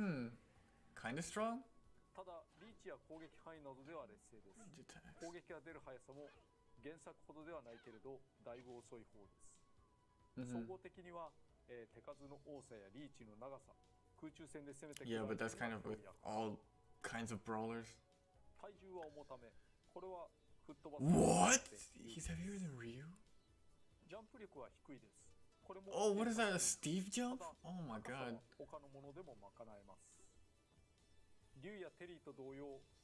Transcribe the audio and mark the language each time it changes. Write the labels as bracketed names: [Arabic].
[English] Hmm, kind of strong. [Japanese] ただリーチや攻撃範囲などでは劣勢です。攻撃が出る速さも原作ほどではないけれど、だいぶ遅い方です。総合的には、手数の多さやリーチの長さ、空中戦で攻めてくる。 [English] Yeah, but that's kind of with all kinds of brawlers. [Japanese] 体重は重ため、これは吹っ飛ば [English] す。What? He's heavier than Ryu? [Japanese] ジャンプ力は低いです。これも。 [English] Oh, what is that? A Steve jump? Oh my god. [Japanese] 他のものでも賄えます。リュウやテリーと同様、